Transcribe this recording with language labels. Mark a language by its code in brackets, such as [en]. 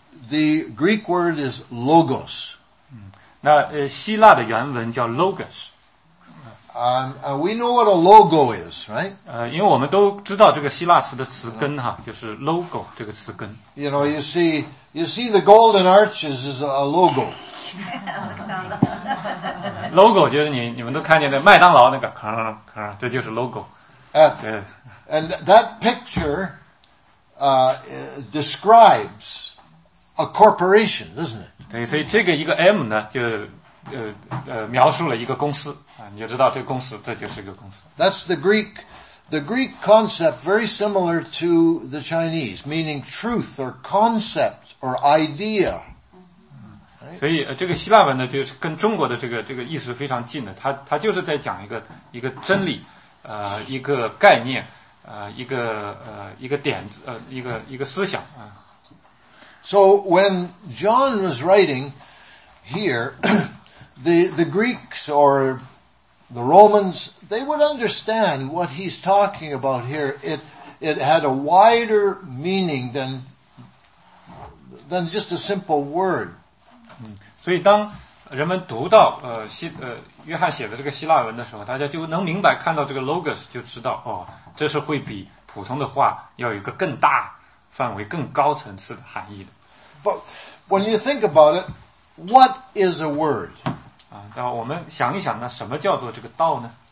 [en] The Greek word is logos. [zh] 那希腊的原文叫 logos。 [en] We know what a logo is, right? [zh] 因为我们都知道这个希腊词的词根哈，就是 logo 这个词根。 [en] You know, you see the golden arches is a logo. [zh] logo 就是你们都看见的麦当劳那个咔咔，这就是 logo。 [en] And that picture, describes a corporation, doesn't it? [zh] 对，所以这个一个 M 呢，就描述了一个公司。你就知道这个公司，这就是一个公司。 [en] That's the Greek concept, very similar to the Chinese, meaning truth or concept or idea.、Right? [zh] 所以这个希腊文呢，就是跟中国的这个意思非常近的。它就是在讲一个真理，一个概念，一个点子，一个思想啊。 [en] So when John was writing here, the Greeks or the Romans, they would understand what he's talking about here. It had a wider meaning than just a simple word. [zh] 所以当人们读到约翰写的这个希腊文的时候，大家就能明白看到这个 logos 就知道哦，这是会比普通的话要有一个更大范围、更高层次的含义的。 [en] But when you think about it, what is a word? [zh] 那我们想一想呢，什么叫做这个道呢